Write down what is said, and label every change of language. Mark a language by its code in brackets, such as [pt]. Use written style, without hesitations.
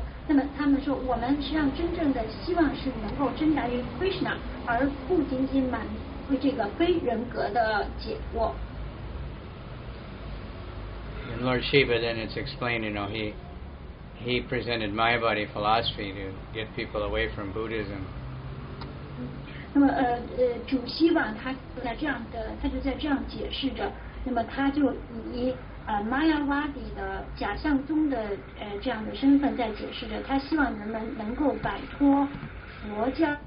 [zh] 那么他们说，我们实际上真正的希望是能够真达于 Krishna， 而不仅仅满足这个非人格的解脱。 [en] And Lord Shiva then it's explained, you know, he presented Mayavadi philosophy to get people away from Buddhism. [zh] 那么主希瓦他就在这样解释着，那么他就以Mayavadi 的假象宗的这样的身份在解释着，他希望人们能够摆脱佛教。